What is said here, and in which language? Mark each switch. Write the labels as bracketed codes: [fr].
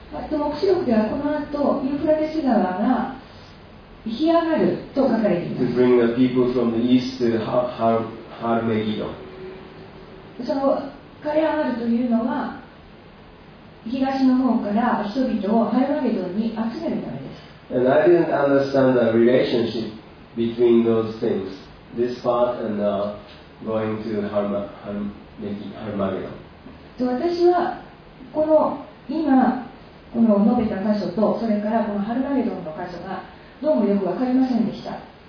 [ja] と目視録ではこの後ユーフラテス川が干上がると書かれています。 [en] To bring the people from the east to Harmegidon. [ja] その枯れ上がるというのは東の方から人々をハルマゲドンに集めるためです。 [en] And I didn't understand the relationship between those things. This part and going to Harmageddon. [ja] 私はこの今この述べた箇所とそれからこのハルマゲドンの箇所がどうもよく分かりませんでした。